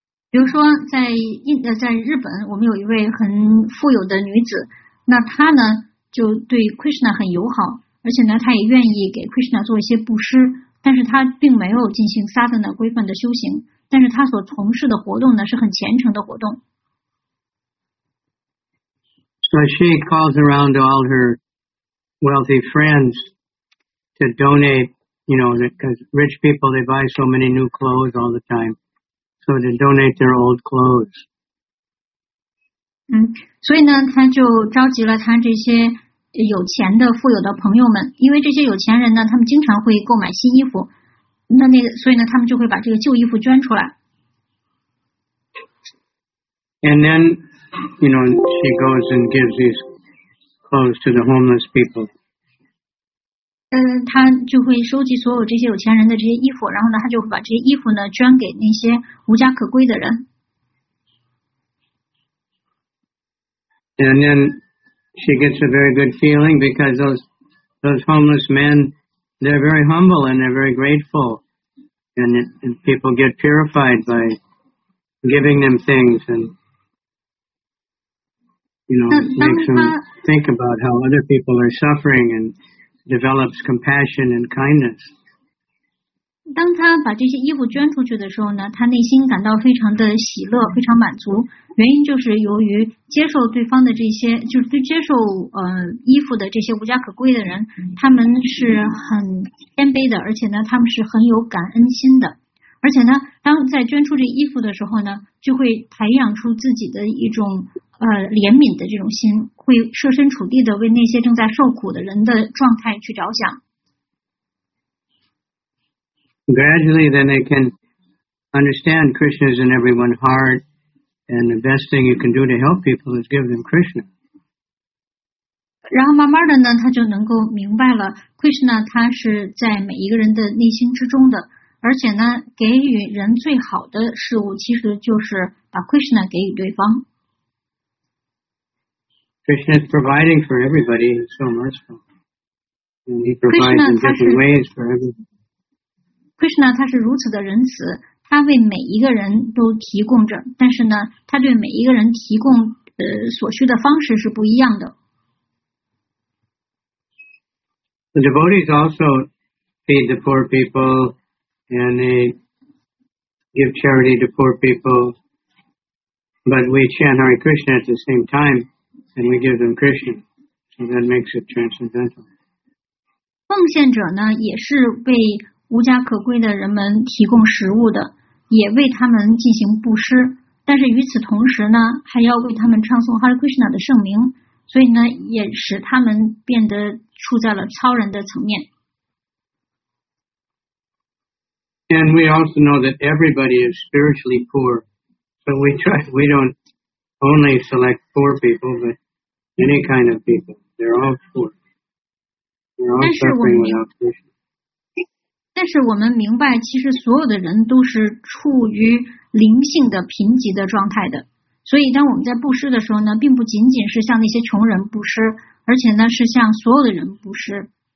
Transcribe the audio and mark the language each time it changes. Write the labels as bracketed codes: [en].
[zh] 比如说在日本我们有一位很富有的女子那她呢就对 Krishna 很友好而且呢她也愿意给 Krishna 做一些布施但是她并没有进行 sadhana 规范的修行但是她所从事的活动呢是很虔诚的活动。 [en] So she calls around all her wealthy friends to donate. You know, because rich people, they buy so many new clothes all the time. So they donate their old clothes. [zh] 所以呢他就召集了他这些有钱的富有的朋友们。因为这些有钱人呢他们经常会购买新衣服。所以呢他们就会把这个旧衣服捐出来。 [en] And then, you know, she goes and gives these clothes to the homeless people. [zh] 他就会收集所有这些有钱人的这些衣服，然后呢，他就把这些衣服呢捐给那些无家可归的人。 [en] And then she gets a very good feeling because those homeless men, they're very humble and they're very grateful. And people get purified by giving them things and, you know, makes them think about how other people are suffering and develops compassion and kindness. [zh] 当他把这些衣服捐出去的时候呢，他内心感到非常的喜乐，非常满足。原因就是由于接受对方的这些，就是接受衣服的这些无家可归的人，他们是很谦卑的，而且呢，他们是很有感恩心的。而且呢，当在捐出这衣服的时候呢，就会培养出自己的一种怜悯的这种心，会设身处地的为那些正在受苦的人的状态去着想。 [en] Gradually, then they can understand Krishna's in everyone's heart, and the best thing you can do to help people is give them Krishna. [zh] 然后慢慢的呢，他就能够明白了 ，Krishna 他是在每一个人的内心之中的，而且呢，给予人最好的事物其实就是把 Krishna 给予对方。 [en] Krishna is providing for everybody, he's so merciful, and he provides Krishna, in different ways for everybody. [zh] Krishna 他是如此的仁慈，他为每一个人都提供着，但是呢，他对每一个人提供所需的方式是不一样的。 [en] The devotees also feed the poor people and they give charity to poor people, but we chant Hare Krishna at the same time and we give them Krishna, so that makes it transcendental. [zh] 奉献者呢，也是为无家可归的人们提供食物的，也为他们进行布施，但是与此同时呢，还要为他们唱诵 Hare Krishna 的圣名，所以呢，也使他们变得处在了超人的层面。 [en] And we also know that everybody is spiritually poor, so we don't only select poor people, but any kind of people. They're all poor. They're all suffering without Krishna. [zh] 但是我们明白，其实所有的人都是处于灵性的贫瘠的状态的。所以，当我们在布施的时候呢，并不仅仅是向那些穷人布施，而且呢是向所有的人布施。